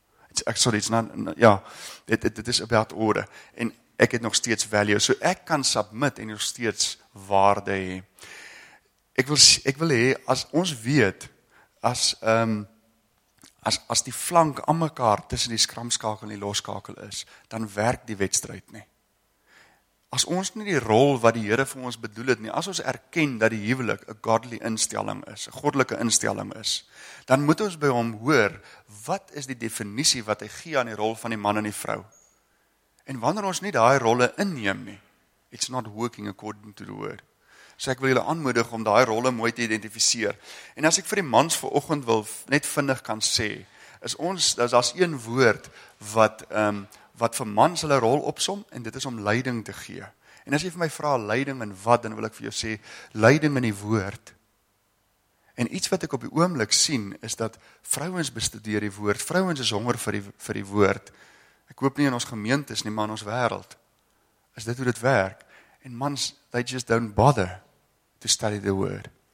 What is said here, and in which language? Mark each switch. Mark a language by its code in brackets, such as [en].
[en] It's actually, it's not, ja, it is about order. [af] En ek het nog steeds value. So ek kan submit en nog steeds waarde hê. Ek wil hê, as ons weet, as die flank aan mekaar tussen die skramskakel en die loskakel is, dan werk die wedstryd nie. As ons nie die rol wat die Here vir ons bedoel het nie, as ons erken dat die huwelik 'n godly instelling is, 'n goddelike instelling is, dan moet ons by hom hoor, wat is die definisie wat hy gee aan die rol van die man en die vrou? En wanneer ons nie daai rolle inneem nie, [en] it's not working according to the word. [af] So ek wil julle aanmoedig om daai rolle mooi te identifiseer. En as ek vir die mans vanoggend wil net vinnig kan sê, is ons, daar's een woord wat wat vir mans hulle rol opsom, en dit is om leiding te gee. En as jy vir my vra leiding in wat, dan wil ek vir jou sê, leiding in die woord. En iets wat ek op die oomblik sien, is dat vrouens bestudeer die woord, vrouens is honger vir die woord. Ek hoop nie in ons gemeentes nie, maar in ons wêreld. Is dit hoe dit werk? En mans, [en] they just don't bother to study the word.